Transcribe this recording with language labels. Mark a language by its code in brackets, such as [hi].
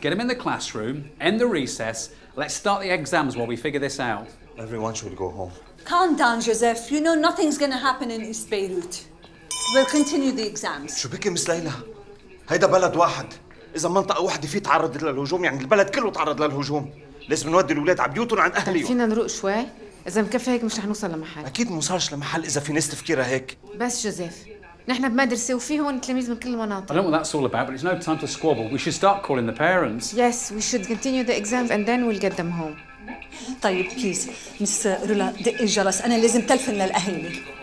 [en] Get him in the classroom, end the recess. Let's start the exams while we figure this out. Everyone should go home. Calm down, Joseph. You know nothing's going to happen in East Beirut. We'll continue the exams. [ar] شو بكي مس ليلى؟ هيدا بلد واحد. إذا منطقة واحدة فيه تعرض للهجوم يعني البلد كله تعرض للهجوم. لازم نودي الأولاد على بيوتهم عند أهليهم. فينا نروق شوي؟ إذا مكفي هيك مش رح نوصل لمحل. أكيد ما وصلش لمحل إذا في ناس تفكيرها هيك. بس جوزيف. نحن بمدرسة وفي هون تلاميذ من كل المناطق. [en] I don't know what that's all about, but it's no time to squabble. We should start calling the parents. Yes, we should continue the exams and then we'll get them home. [ar] طيب بليز مس رولا دقي الجرس، أنا لازم تلفن للأهل.